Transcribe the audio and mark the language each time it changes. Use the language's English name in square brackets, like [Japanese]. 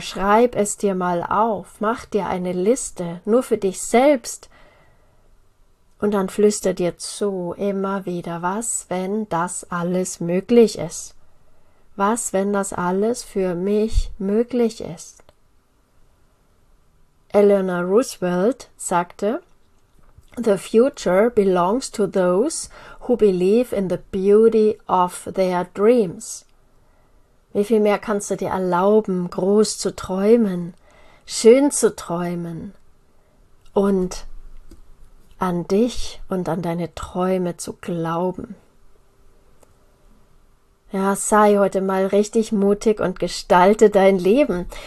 [German] Schreib es dir mal auf, mach dir eine Liste, nur für dich selbst. Und dann flüstert dir zu, immer wieder, was, wenn das alles möglich ist? Was, wenn das alles für mich möglich ist? Eleanor Roosevelt sagte: [English] The future belongs to those who believe in the beauty of their dreams. [German] Wie viel mehr kannst du dir erlauben, groß zu träumen, schön zu träumen und an dich und an deine Träume zu glauben. Ja, sei heute mal richtig mutig und gestalte dein Leben.